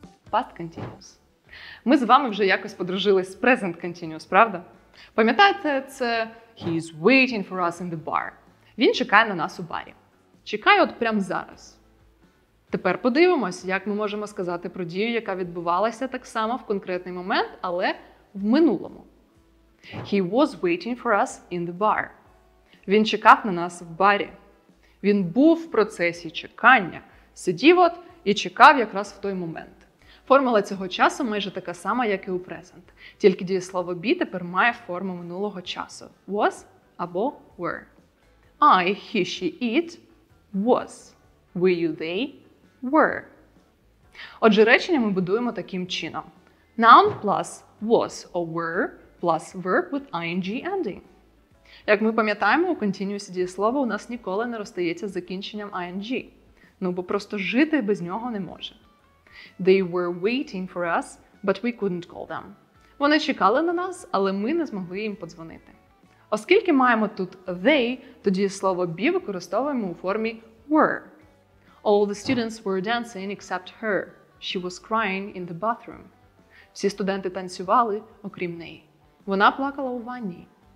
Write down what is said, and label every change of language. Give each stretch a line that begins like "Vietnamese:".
Ukrainian: Past continuous. Ми з вами вже якось подружились з present continuous, правда? Пам'ятаєте, це
English: «He is waiting for us in the bar».
Ukrainian: Він чекає на нас у барі. Чекає от прямо зараз. Тепер подивимось, як ми можемо сказати про дію, яка відбувалася так само в конкретний момент, але в минулому.
English: He was waiting for us in the bar.
Ukrainian: Він чекав на нас в барі. Він був в процесі чекання. Сидів от і чекав якраз в той момент. Формула цього часу майже така сама, як і у present. Тільки дієслово be тепер має форму минулого часу. Was або were.
English: I, he, she, it, was. Were you, they, were.
Ukrainian: Отже, речення ми будуємо таким чином.
English: Noun plus was or were plus verb with ing ending.
Ukrainian: Як ми пам'ятаємо, у continuous дієслова у нас ніколи не розстається з закінченням ing. Ну, бо просто жити без нього не може.
English: They were waiting for us, but we couldn't call them.
Ukrainian: Вони чекали на нас, але ми не змогли їм подзвонити. Оскільки маємо тут they, то дієслово be використовуємо у формі were.
English: All the students were dancing except her. She was crying in the bathroom.
Ukrainian: Всі студенти танцювали, окрім неї. Вона плакала у ванні.